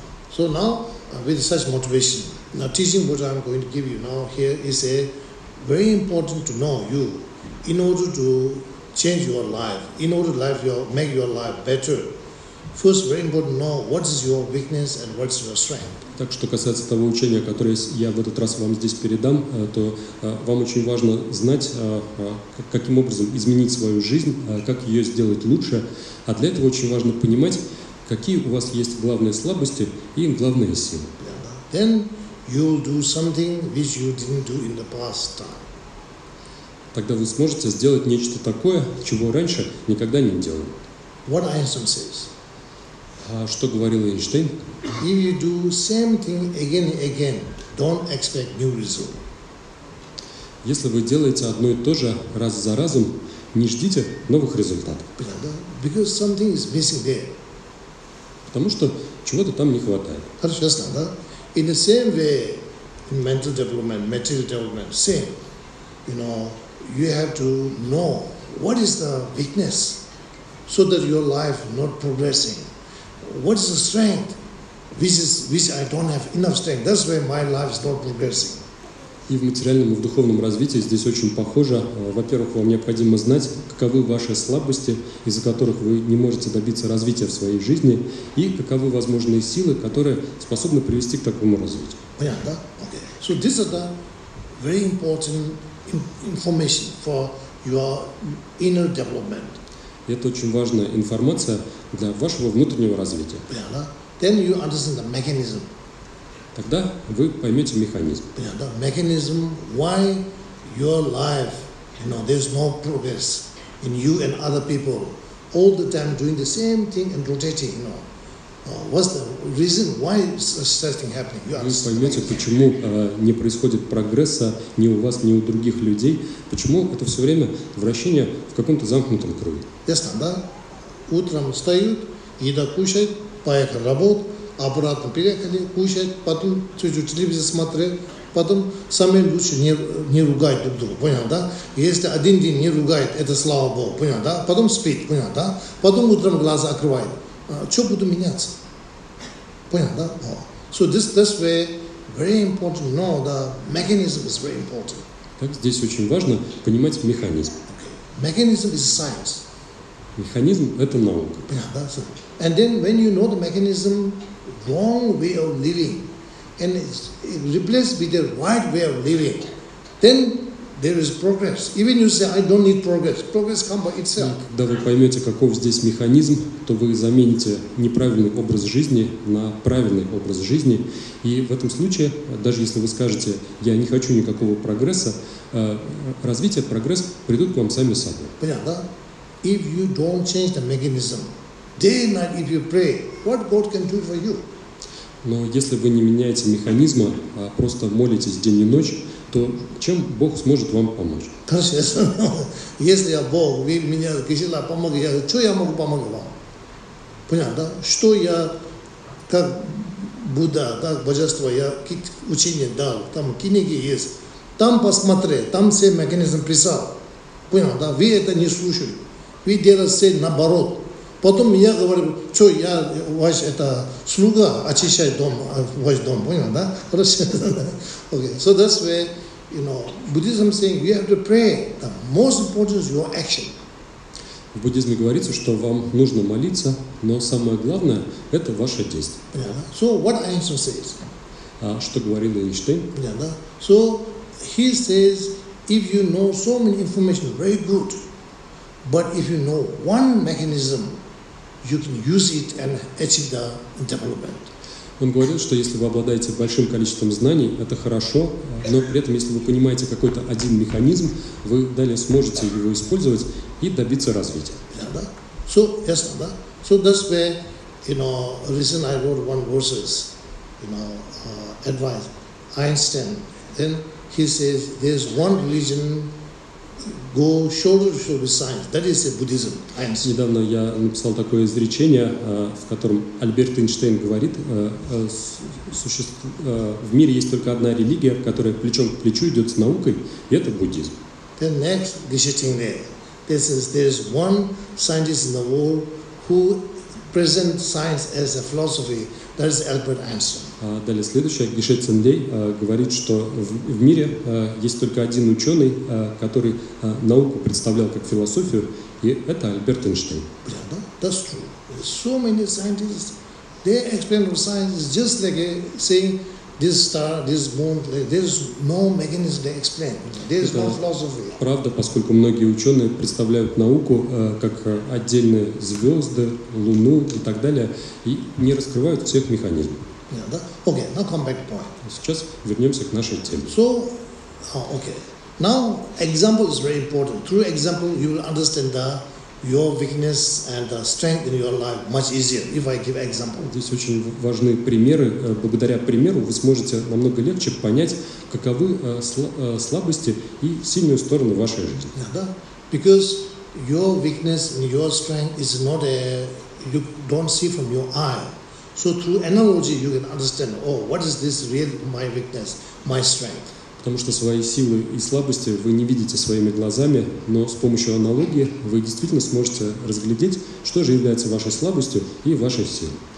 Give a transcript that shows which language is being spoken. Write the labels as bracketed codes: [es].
[en] So now, with such motivation, now teaching what I'm going to give you now here is a very important to know you. In order to change your life, in order to make your life better, first very important to know what is your weakness and what is your strength. [ru] Так что касается того учения, которое я в этот раз вам здесь передам, то вам очень важно знать, каким образом изменить свою жизнь, как ее сделать лучше. А для этого очень важно понимать, какие у вас есть главные слабости и главные силы. [en] Then you'll do something which you didn't do in the past time. [ru] Тогда вы сможете сделать нечто такое, чего раньше никогда не делали. [en] What Einstein says? [ru] Что говорил Эйнштейн? [en] If you do same thing again and again, don't expect new result. [ru] Если вы делаете одно и то же раз за разом, не ждите новых результатов. [en] Because something is missing there. [ru] Потому что чего-то там не хватает. Хорошо, ясно, да? [en] In the same way, in mental development, material development, same, you know, you have to know what is the weakness so that your life not progressing. What is the strength which I don't have enough strength. That's why my life is not progressing. [ru] И в материальном и в духовном развитии здесь очень похоже. Во-первых, вам необходимо знать, каковы ваши слабости, из-за которых вы не можете добиться развития в своей жизни, и каковы возможные силы, которые способны привести к такому развитию. Понятно, да? [en] Okay. So this is the very important information for your inner development. [ru] Это очень важная информация для вашего внутреннего развития. Понятно? [en] Then you understand the mechanism. [ru] Тогда вы поймете механизм. Понятно? [en] Mechanism why your life, you know, there's no progress in you and other people all the time doing the same thing and rotating, you know. What's the reason why such thing happening? You understand? [ru] Вы поймете, почему не происходит прогресса ни у вас, ни у других людей. Почему это все время вращение в каком-то замкнутом круге? Ясно, да? Утром встают, еда кушают, поехали работать, обратно переехали, кушают, потом чуть-чуть телевизор смотрели, потом сами лучше не ругают друг друга, понял, да? Если один день не ругает, это слава Богу, понял, да? Потом спит, понял, да? Потом утром глаза открывает. Что буду меняться? Понял, да? [en] So this way very important. No, the mechanism is very important. [ru] Так здесь очень важно понимать механизм. [en] Okay. Mechanism is science. [ru] Механизм – это наука. Понял, да? [en] So, and then when you know the mechanism, wrong way of living, and it's replaced with a right way of living, then there is progress. Even you say, I don't need progress. Progress comes by itself. [ru] Когда вы поймете, каков здесь механизм, то вы замените неправильный образ жизни на правильный образ жизни. И в этом случае, даже если вы скажете, я не хочу никакого прогресса, развитие, прогресс придут к вам сами собой. Понятно, да? [en] If you don't change the mechanism, day and night if you pray, what God can do for you? [ru] Но если вы не меняете механизма, а просто молитесь день и ночь, то чем Бог сможет вам помочь? Конечно, если я Бог, вы меня кисила, помоги, я, что я могу помочь вам? Понятно, да? Что я, как Будда, как Божество, я учение дал, там книги есть, там посмотри, там все механизм писал. Понятно, да? Вы это не слушали. Вы делали все наоборот. Потом я говорю, что я ваш это слуга, очищаю дом, ваш дом, понял, да? Хорошо. [en] Okay. So that's where, you know, Buddhism saying you have to pray. The most important is your action. [ru] В буддизме говорится, что вам нужно молиться, но самое главное это ваше действие. [en] Yeah. So what Einstein says? [ru] Что говорил Эйнштейн? Yeah, да. [en] So he says, if you know so many information, very good. But if you know one mechanism, you can use it and achieve the development. [ru] Он говорит, что если вы обладаете большим количеством знаний, это хорошо, но при этом, если вы понимаете какой-то один механизм, вы далее сможете его использовать и добиться развития. Yeah, да? So, yes, да? [en] So that's where, you know, reason I wrote one verses, you know, advice Einstein. Then he says there's one religion. Go shoulder to shoulder with science. That is a Buddhism. [ru] Недавно я написал такое изречение, в котором Альберт Эйнштейн говорит, в мире есть только одна религия, которая плечом к плечу идет с наукой, и это буддизм. [en] Then next, Geshe Tingle. This is there is one scientist in the world who present science as a philosophy. That is Albert Einstein. [ru] Далее следующее. Гише Циндей говорит, что в мире есть только один ученый, который науку представлял как философию, и это Альберт Эйнштейн. [en] Yeah, that's true. So many scientists, they explain the science just like saying this star, this moon, there's no mechanism they explain. There's no philosophy. [ru] Правда, поскольку многие ученые представляют науку как отдельные звезды, луну и так далее, и не раскрывают всех механизмов. [en] Yeah, [ru] да? [en] Okay, now come back to point. [ru] Сейчас вернемся к нашей теме. [en] So, okay. Now, example is very important. Through example, you will understand the your weakness and the strength in your life much easier, if I give example. [ru] Здесь очень важны примеры. Благодаря примеру вы сможете намного легче понять, каковы слабости и сильные стороны вашей жизни. Yeah, да? [en] Because your weakness and your strength is not a... You don't see from your eye. So through analogy you can understand, oh, what is this really my weakness, my strength? [ru] Потому что свои силы и слабости вы не видите своими глазами, но с помощью аналогии вы действительно сможете разглядеть, что же является вашей слабостью и вашей силой.